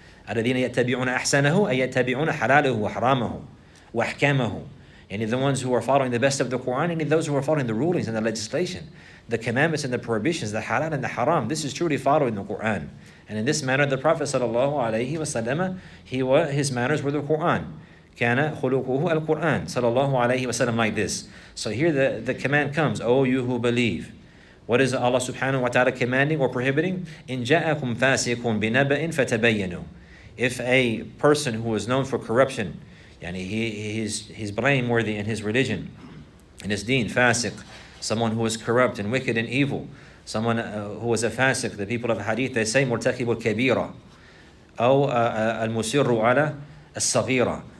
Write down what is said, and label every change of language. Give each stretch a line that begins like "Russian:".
Arabic: الَّذِينَ يَتَّبِعُونَ أَحْسَنَهُ أَيَتَّبِعُونَ حَلَالَهُ وَحْرَامَهُ وَأَحْكَامَهُ.
English: And the ones who are following the best of the Quran, and those who are following the rulings and the legislation, the commandments and the prohibitions, the halal and the haram, this is truly following the Quran. And in this manner, the Prophet sallallahu alayhi wa sallam, his manners were the Quran.
Arabic: كَانَ خُلُقُهُ الْقُرْآنِ صلى الله عليه وسلم,
English: like this. So here the command comes, O you who believe. What is Allah subhanahu wa ta'ala commanding or prohibiting?
Arabic: إِن جَاءَكُمْ فَاسِقٌ بِنَبَئٍ فَتَبَيَّنُوا.
English: If a person who is known for corruption, he's blameworthy in his religion, in his deen, fasiq, someone who is corrupt and wicked and evil, someone who is a fasiq, the people of hadith, they say,
Arabic: مُرْتَكِبُ الْكَبِيرَ أَوْ الْمُسِرُّ عَلَى الصَّغِيرَ.